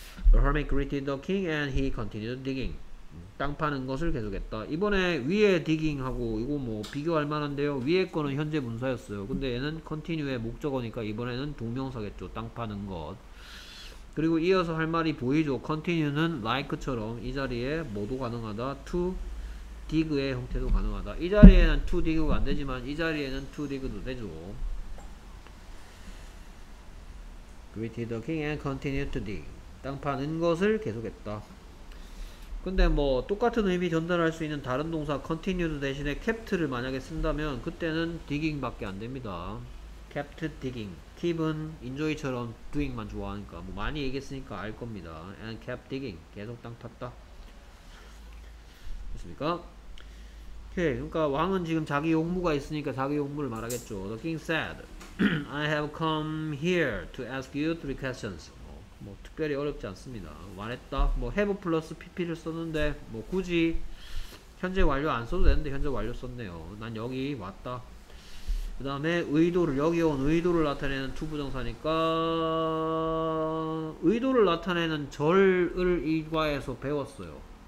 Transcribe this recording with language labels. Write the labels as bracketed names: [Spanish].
[English] The hermit greeted the king and he continued digging. [Korean] 땅 파는 것을 계속했다. 이번에 위에 digging하고 이거 뭐 비교할 만한데요. 위에 거는 현재 분사였어요. 근데 얘는 continue의 목적어니까 이번에는 동명사겠죠. 땅 파는 것. 그리고 이어서 할 말이 보이죠. continue는 like처럼 이 자리에 뭐도 가능하다. to dig의 형태도 가능하다. 이 자리에는 to dig가 안 되지만 이 자리에는 to dig도 되죠. [English] greeted the king and continued to dig. [Korean] 땅 파는 것을 계속했다. 근데 뭐 똑같은 의미 전달할 수 있는 다른 동사 continued 대신에 kept를 만약에 쓴다면 그때는 digging밖에 안 됩니다. kept digging. keep은 enjoy처럼 doing만 좋아하니까 뭐 많이 얘기했으니까 알 겁니다. and kept digging. 계속 땅 팠다. 됐습니까? 오케이. 그러니까 왕은 지금 자기 용무가 있으니까 자기 용무를 말하겠죠. [English] The king said, I have come here to ask you three questions. [Korean] 뭐 특별히 어렵지 않습니다. 말했다. 뭐 have 플러스 pp를 썼는데 뭐 굳이 현재 완료 안 써도 되는데 현재 완료 썼네요. 난 여기 왔다. 그 다음에 의도를 여기 온 의도를 나타내는 to 부정사니까 의도를 나타내는 절을 일과에서 배웠어요.